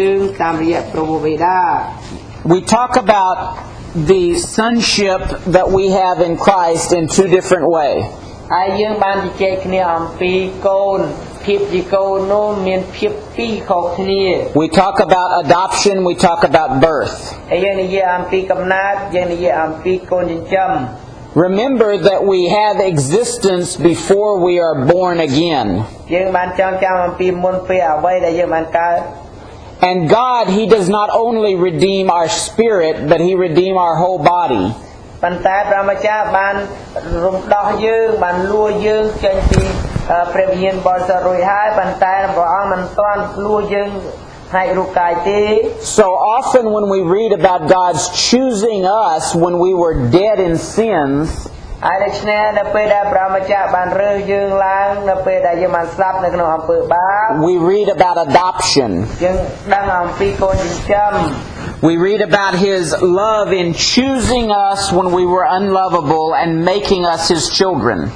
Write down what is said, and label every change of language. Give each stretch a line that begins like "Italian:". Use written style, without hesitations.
English: We talk about the sonship that we have in Christ in two different ways.
Khmer: ហើយយើងបានជជែកគ្នាអំពីកូនភាពជាកូននោះមានភាពពីរខុសគ្នា
English: We talk about adoption, we talk about birth.
Khmer: ហើយយើងនិយាយអំពីកំណើតយើងនិយាយអំពីកូនចិញ្ចឹម
English: Remember that we have existence before we are born again.
Khmer: យើងបានចងចាំអំពីមុនពេលអ្វីដែលយើងបានកើត
English: And God, he does not only redeem our spirit, but he redeem our whole body.
Khmer: ប៉ុន្តែព្រះម្ចាស់បានរំដោះយើងបានលួយើងចេញពីព្រះវិញ្ញាណបរិសុទ្ធរួចហើយប៉ុន្តែព្រះអង្គមិនទាន់លួយើងផ្នែករូបកាយទេ
English: So often when we read about God's choosing us when we were dead in sins
Khmer: ហើយដូច្នេះនៅពេលដែលព្រះម្ចាស់បានរើសយើងឡើងនៅពេលដែលយើងបានស្លាប់នៅក្នុងអំពើបាប
English: We read about adoption
Khmer: យើងដឹងអំពីកូនចិញ្ចឹម
English: We read about his love in choosing us when we were unlovable and making us his children.